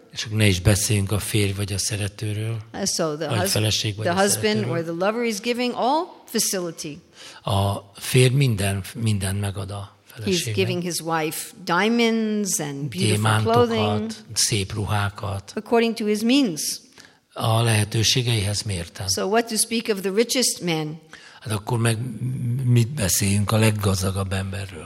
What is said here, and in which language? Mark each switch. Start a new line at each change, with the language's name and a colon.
Hungarian: És ne is beszéljünk a férj vagy a szeretőről.
English: So the
Hungarian: vagy feleség vagy
English: the
Hungarian: a
English: husband
Hungarian: szeretőről.
English: Or the lover is giving all facility.
Hungarian: A férj minden megad a feleségnek.
English: He's giving his wife diamonds and beautiful clothing.
Hungarian: Szép ruhákat.
English: According to his means.
Hungarian: A lehetőségeihez mérten.
English: So what to speak of the richest man?
Hungarian: Hát akkor meg mit beszéljünk a leggazdagabb emberről?